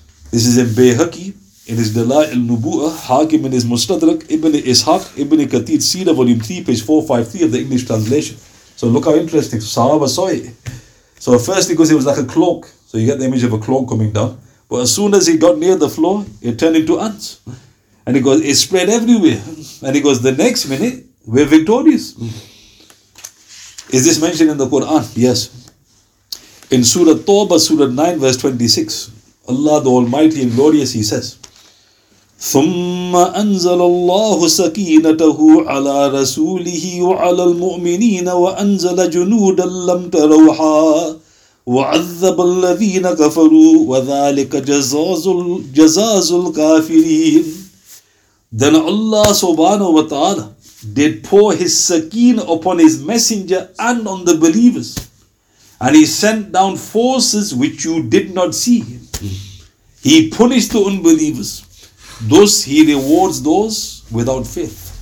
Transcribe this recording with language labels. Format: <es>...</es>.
<en>This is in Bayhaqi, in his Dala'il al-Nubu'ah, Hakim in his Mustadrak, Ibn Ishaq, Ibn Kathir, Sira, Volume 3, page 453 of the English translation. So look how interesting. Sahaba saw it. So first he goes, it was like a cloak. So you get the image of a cloak coming down. But as soon as he got near the floor, it turned into ants. And he goes, it spread everywhere. And he goes, the next minute, we're victorious. Is this mentioned in the Quran? Yes. In Surah Taubah, Surah 9, verse 26, Allah the Almighty and Glorious, he says,</en> <ar>ثُمَّ أَنزَلَ اللَّهُ سَكِينَتَهُ عَلَىٰ رَسُولِهِ وَعَلَىٰ الْمُؤْمِنِينَ وَأَنزَلَ جُنُودًا لَمْ تَرَوْحَىٰ وَعَذَّبَ الَّذِينَ كَفَرُوا وَذَٰلِكَ جَزَازُ الْكَافِرِينَ.</ar> <en>Then Allah subhanahu wa ta'ala did pour his sakina upon his messenger and on the believers. And he sent down forces which you did not see. He punished the unbelievers. Thus he rewards those without faith.</en>